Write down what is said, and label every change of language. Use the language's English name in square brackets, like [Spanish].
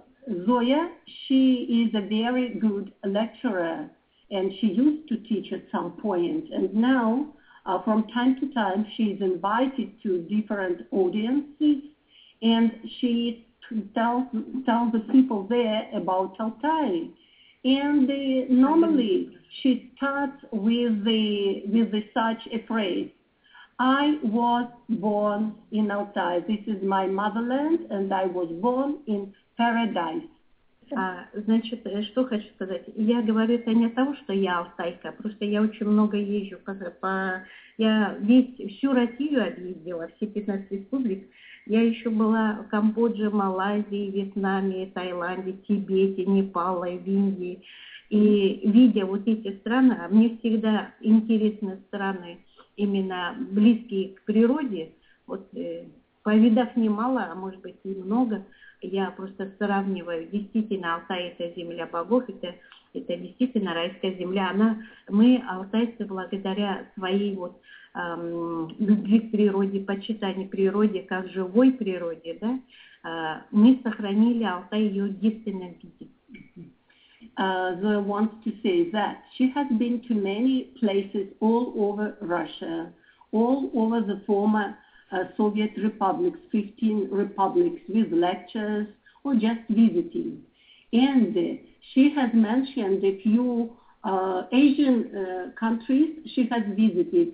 [English] Зоя, she is a very good lecturer, and she used to teach at some point, and now from time to time she is invited to different audiences, and she tells the people there about Altai. And normally she starts with such a phrase: "I was born in Altai. This is my motherland, and I was born in paradise." [Russian] Значит, что хочу сказать? Я говорю это не того, что я алтайка, просто я очень много езжу по я всю Россию объездила, все 15 республик. Я еще была в Камбодже, Малайзии, Вьетнаме, Таиланде, Тибете, Непале, в Индии. И видя вот эти страны, мне всегда интересны страны, именно близкие к природе. Вот повидав немало, а может быть и много, я просто сравниваю. Действительно, Алтай – это земля богов, это действительно райская земля. Мы, алтайцы, благодаря своей вот любви к природе, почитанию природе, как живой природе, да, мы сохранили Алтай ее единственным видом. [English] Zoya wants to say that she has been to many places all over Russia, all over the former Soviet republics, 15 republics, with lectures or just visiting. And she has mentioned a few Asian countries she has visited.